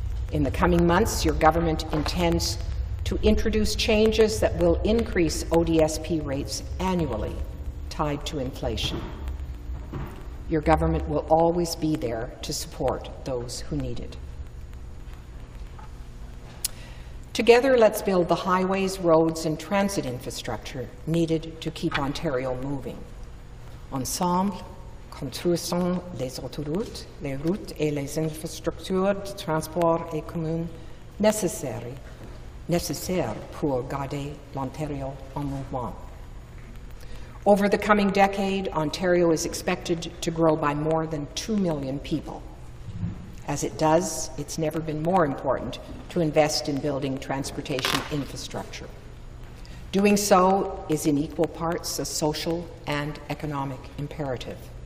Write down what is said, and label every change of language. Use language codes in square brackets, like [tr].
[en] In the coming months, your government intends to introduce changes that will increase ODSP rates annually, tied to inflation. Your government will always be there to support those who need it. Together, let's build the highways, roads, and transit infrastructure needed to keep Ontario moving. [fr] Ensemble, construisons les autoroutes, les routes et les infrastructures de transport et communes nécessaires pour garder l'Ontario en mouvement. [en] Over the coming decade, Ontario is expected to grow by more than 2 million people. As it does, it's never been more important to invest in building transportation infrastructure. Doing so is in equal parts a social and economic imperative.